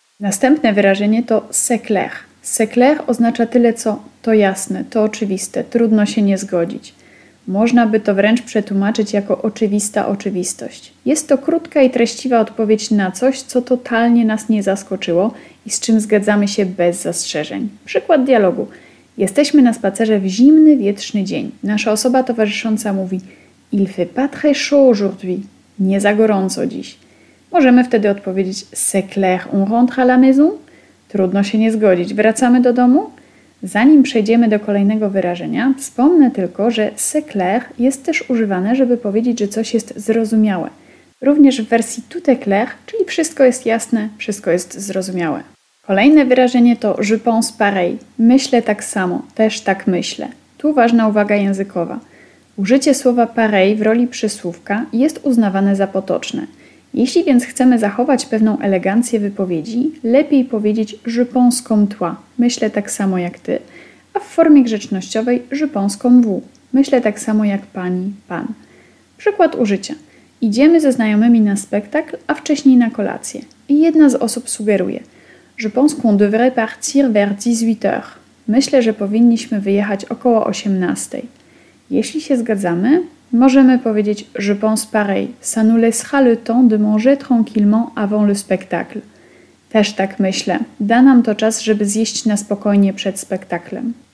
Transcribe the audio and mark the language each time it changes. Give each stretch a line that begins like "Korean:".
Polish: Następne wyrażenie to c'est clair. C'est clair oznacza tyle co to jasne, to oczywiste, trudno się nie zgodzić. Można by to wręcz przetłumaczyć jako oczywista oczywistość. Jest to krótka i treściwa odpowiedź na coś, co totalnie nas nie zaskoczyło i z czym zgadzamy się bez zastrzeżeń. Przykład dialogu. Jesteśmy na spacerze w zimny, wietrzny dzień. Nasza osoba towarzysząca mówi:
French: Il fait pas très chaud aujourd'hui.
Polish: Nie za gorąco dziś. Możemy wtedy odpowiedzieć:
French: C'est clair, on rentre à la maison?
Polish: Trudno się nie zgodzić. Wracamy do domu? Zanim przejdziemy do kolejnego wyrażenia, wspomnę tylko, że c'est clair jest też używane, żeby powiedzieć, że coś jest zrozumiałe. Również w wersji tout est clair, czyli wszystko jest jasne, wszystko jest zrozumiałe. Kolejne wyrażenie to je pense pareil. Myślę tak samo, też tak myślę. Tu ważna uwaga językowa. Użycie słowa pareil w roli przysłówka jest uznawane za potoczne. Jeśli więc chcemy zachować pewną elegancję wypowiedzi, lepiej powiedzieć
French: je pense comme toi,
Polish: myślę tak samo jak ty, a w formie grzecznościowej
French: je pense comme vous,
Polish: myślę tak samo jak pani, pan. Przykład użycia. Idziemy ze znajomymi na spektakl, a wcześniej na kolację. I jedna z osób sugeruje:
French: Je pense qu'on devrait partir vers 18h.
Polish: Myślę, że powinniśmy wyjechać około 18. Jeśli się zgadzamy, możemy powiedzieć
French: je pense pareil, ça nous laissera le temps de manger tranquillement avant le spectacle.
Polish: Też tak myślę. Da nam to czas, żeby zjeść na spokojnie przed spektaklem.